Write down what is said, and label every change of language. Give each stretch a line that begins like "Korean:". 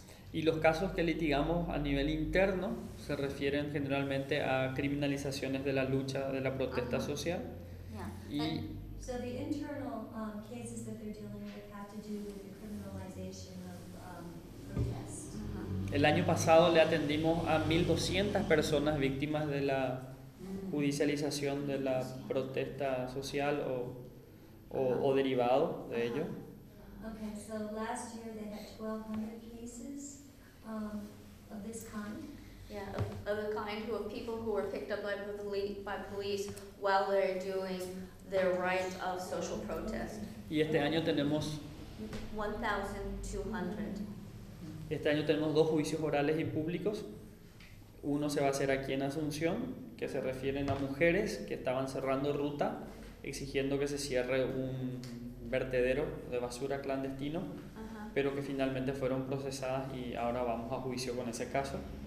Spanish: Y los casos que litigamos a nivel interno se refieren generalmente a criminalizaciones de la lucha, de la protesta social.
English: Yeah.
Spanish: Y
English: so the internal cases that they're dealing with have to do with the criminalization of protests.
Spanish: El año pasado le atendimos a 1,200 personas víctimas de la judicialización de la protesta social o derivado de ello.
English: Okay, so last year they had 1,200 cases of this kind. Yeah, of a kind of people who were picked up by police while they're doing their right of social protest.
Spanish: Y este año tenemos 1,200. Este año tenemos dos juicios orales y públicos. Uno se va a hacer aquí en Asunción, que se refieren a mujeres que estaban cerrando ruta exigiendo que se cierre un vertedero de basura clandestino, pero que finalmente fueron procesadas y ahora vamos a juicio con ese caso.